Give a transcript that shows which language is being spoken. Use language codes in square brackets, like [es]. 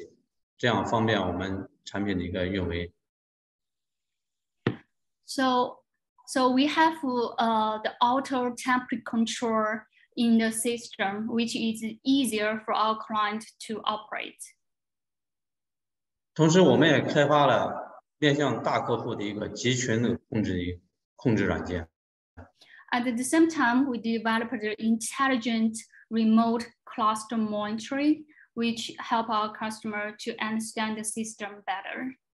[zh] 在控制方面的话，我们实现了当地和远程的一键开启，这样方便我们产品的一个运维。 [en] So we have the auto temperature control in the system, which is easier for our client to operate. [zh] 同时，我们也开发了面向大客户的一个集群的控制软件。 [en] At the same time, we developed an intelligent remote cluster monitoring, which help our customer to understand the system better.